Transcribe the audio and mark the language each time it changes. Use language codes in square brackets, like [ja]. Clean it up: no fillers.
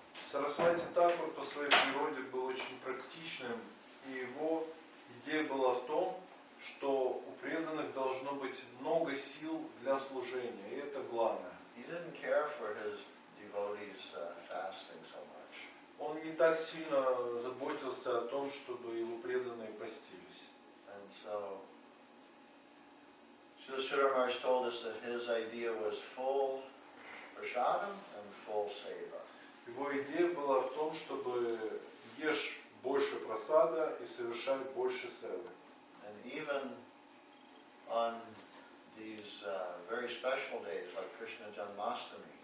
[ru] Saraswati Thakur по своей природе был очень практичным, и его идея была в том, что у преданных должно быть много сил для служения, и это главное. [en] He didn't care for his devotees fasting so much. [ru] Он не так сильно заботился о том, чтобы его преданные постились. [en] And so Srila Sridhar Maharaj told us that his idea was full prasadam and full seva. [ru] Его идея была в том, чтобы ешь больше прасада и совершать больше севы. [en] And even on these very special days like Krishna Janmashtami,